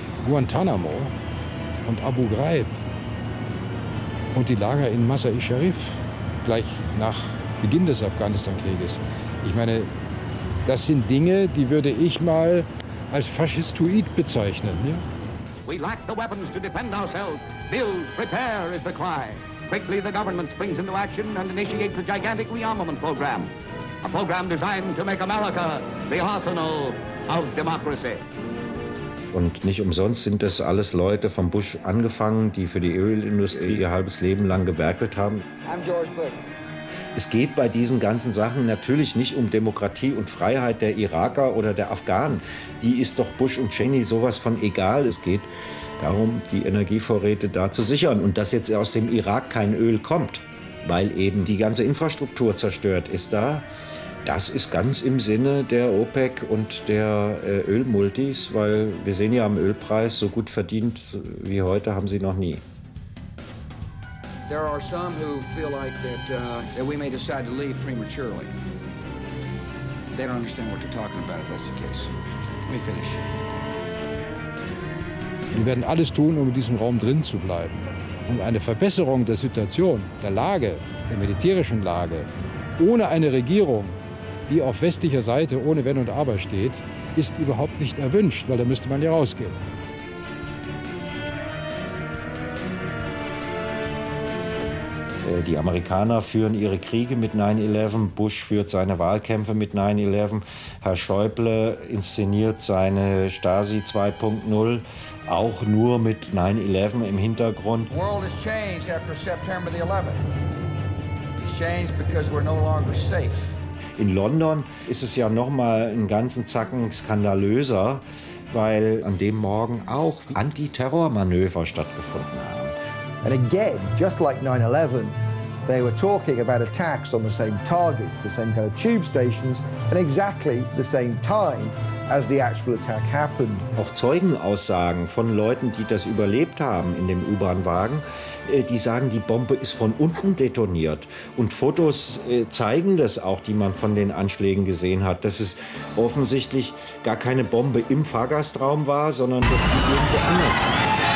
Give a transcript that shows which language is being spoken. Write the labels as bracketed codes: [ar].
[de] Guantanamo und Abu Ghraib und die Lager in Masar-i-Sharif gleich nach Beginn des Afghanistan-Krieges. Ich meine, das sind Dinge, die würde ich mal als Faschistoid bezeichnen. Ja? [en] We lack the weapons to defend ourselves. Build, prepare is the cry. Quickly the government springs into action and initiates a gigantic rearmament program. A program designed to make America the arsenal of democracy. [de] Und nicht umsonst sind das alles Leute vom Bush angefangen, die für die Ölindustrie ihr halbes Leben lang gewerkelt haben. [en] I'm George Bush. [de] Es geht bei diesen ganzen Sachen natürlich nicht um Demokratie und Freiheit der Iraker oder der Afghanen. Die ist doch Bush und Cheney sowas von egal. Es geht darum, die Energievorräte da zu sichern und dass jetzt aus dem Irak kein Öl kommt, weil eben die ganze Infrastruktur zerstört ist da. Das ist ganz im Sinne der OPEC und der Ölmultis, weil wir sehen ja am Ölpreis, so gut verdient wie heute haben sie noch nie. [en] There are some who feel like that that we may decide to leave prematurely. They don't understand what they're talking about if that's the case. We finish. [de] Wir werden alles tun, um in diesem Raum drin zu bleiben. Und eine Verbesserung der Situation, der Lage, der militärischen Lage, ohne eine Regierung, die auf westlicher Seite ohne Wenn und Aber steht, ist überhaupt nicht erwünscht, weil da müsste man ja rausgehen. Die Amerikaner führen ihre Kriege mit 9-11, Bush führt seine Wahlkämpfe mit 9-11, Herr Schäuble inszeniert seine Stasi 2.0 auch nur mit 9-11 im Hintergrund. [en] The world has changed after September the 11th. It's changed because we're no longer safe. [de] In London ist es ja noch mal einen ganzen Zacken skandalöser, weil an dem Morgen auch Antiterrormanöver stattgefunden haben. [en] And again, just like 9-11, they were talking about attacks on the same targets, the same kind of tube stations, and exactly the same time as the actual attack happened. [de] Auch Zeugenaussagen von Leuten, die das überlebt haben in dem U-Bahn-Wagen, die sagen, die Bombe ist von unten detoniert. Und Fotos zeigen das auch, die man von den Anschlägen gesehen hat, dass es offensichtlich gar keine Bombe im Fahrgastraum war, sondern dass die irgendwo anders war.